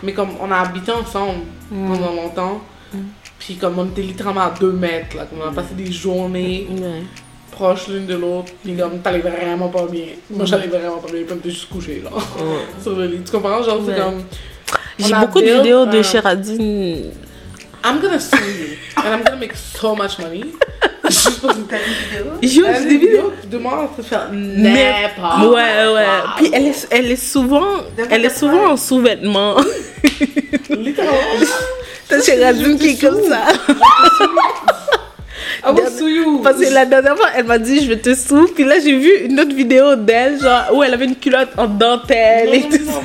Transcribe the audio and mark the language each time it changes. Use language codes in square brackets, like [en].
[fr] Mais comme on a habité ensemble pendant longtemps, puis comme on était littéralement à 2 mètres, là, comme on a passé des journées proches l'une de l'autre, puis comme t'allais vraiment pas bien. Moi j'allais vraiment pas bien, puis on était juste couché, là, sur le lit. Tu comprends? Genre, c'est comme. J'ai beaucoup de vidéos de Sheradine. [en] I'm gonna sue you, and I'm gonna make so much money. [fr] Juste pour une telle vidéo. Juste des vidéos qui demandent à se faire n'importe quoi. Ouais, ouais. Puis elle est souvent en sous-vêtements. Littéralement. C'est Radine qui est comme ça. Ah bon, sous you. Parce que la dernière fois, elle m'a dit je vais te sous. Puis là, j'ai vu une autre vidéo d'elle, genre où elle avait une culotte en dentelle et tout.